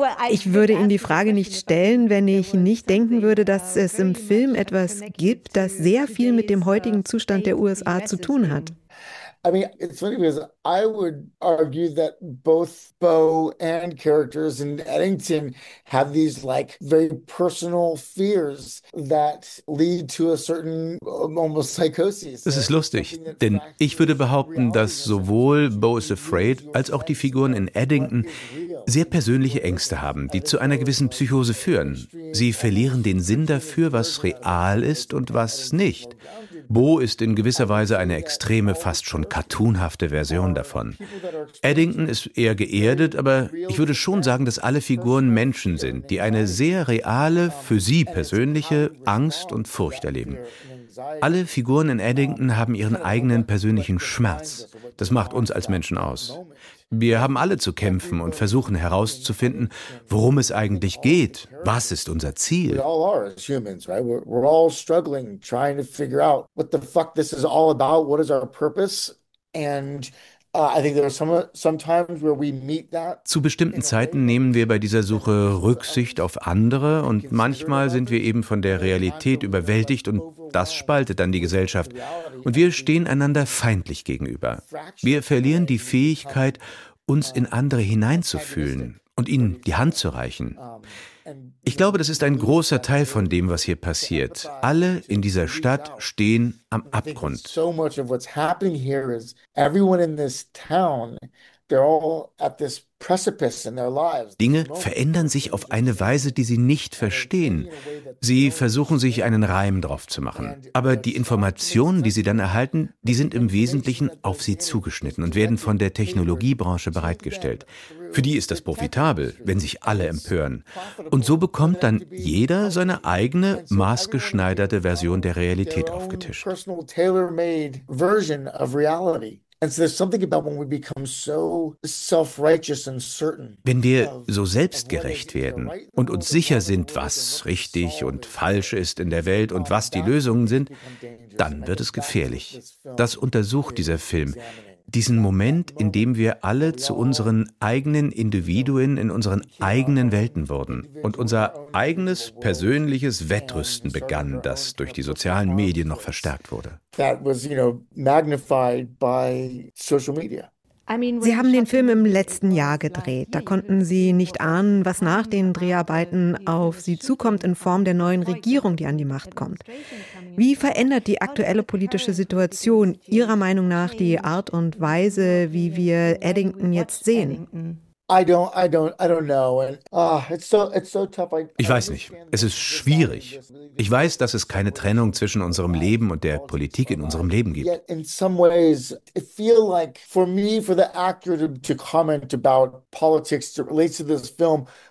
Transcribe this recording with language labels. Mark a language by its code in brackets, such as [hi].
[de] Ich würde Ihnen die Frage nicht stellen, wenn ich nicht denken würde, dass es im Film etwas gibt, das sehr viel mit dem heutigen Zustand der USA zu tun hat. [en] I mean, it's funny because I would argue that both Beau and characters in Eddington have these like very personal fears that lead to a certain almost psychosis. [de] Das ist lustig, denn ich würde behaupten, dass sowohl Beau is Afraid als auch die Figuren in Eddington sehr persönliche Ängste haben, die zu einer gewissen Psychose führen. Sie verlieren den Sinn dafür, was real ist und was nicht. Beau ist in gewisser Weise eine extreme, fast schon cartoonhafte Version davon. Eddington ist eher geerdet, aber ich würde schon sagen, dass alle Figuren Menschen sind, die eine sehr reale, für sie persönliche Angst und Furcht erleben. Alle Figuren in Eddington haben ihren eigenen persönlichen Schmerz. Das macht uns als Menschen aus. Wir haben alle zu kämpfen und versuchen herauszufinden, worum es eigentlich geht. Was ist unser Ziel? [en] We all are as humans, right? We're all struggling, trying to figure out what the fuck this is all about. What is our purpose? And I think there are sometimes where we meet that. [de] Zu bestimmten Zeiten nehmen wir bei dieser Suche Rücksicht auf andere und manchmal sind wir eben von der Realität überwältigt und das spaltet dann die Gesellschaft. Und wir stehen einander feindlich gegenüber. Wir verlieren die Fähigkeit, uns in andere hineinzufühlen und ihnen die Hand zu reichen. Ich glaube, das ist ein großer Teil von dem, was hier passiert. Alle in dieser Stadt stehen am Abgrund. [en] So much of what's happening here is everyone in this town, they're all at this precipice in their lives. [de] Dinge verändern sich auf eine Weise, die sie nicht verstehen. Sie versuchen, sich einen Reim drauf zu machen. Aber die Informationen, die sie dann erhalten, die sind im Wesentlichen auf sie zugeschnitten und werden von der Technologiebranche bereitgestellt. Für die ist das profitabel, wenn sich alle empören. Und so bekommt dann jeder seine eigene, maßgeschneiderte Version der Realität aufgetischt. [en] Personal tailor-made version of reality. And so there's something about when we become so self-righteous and certain. [de] Wenn wir so selbstgerecht werden und uns sicher sind, was richtig und falsch ist in der Welt und was die Lösungen sind, dann wird es gefährlich. Das untersucht dieser Film. Diesen Moment, in dem wir alle zu unseren eigenen Individuen in unseren eigenen Welten wurden und unser eigenes persönliches Wettrüsten begann, das durch die sozialen Medien noch verstärkt wurde. [en] That was, you know, magnified by social media. [de] Sie haben den Film im letzten Jahr gedreht. Da konnten Sie nicht ahnen, was nach den Dreharbeiten auf Sie zukommt in Form der neuen Regierung, die an die Macht kommt. Wie verändert die aktuelle politische Situation Ihrer Meinung nach die Art und Weise, wie wir Eddington jetzt sehen? Ich weiß nicht. Es ist schwierig. Ich weiß, dass es keine Trennung zwischen unserem Leben und der Politik in unserem Leben gibt. [en] In some ways, it feel like for me, for the actor to comment about politics that relates to this film.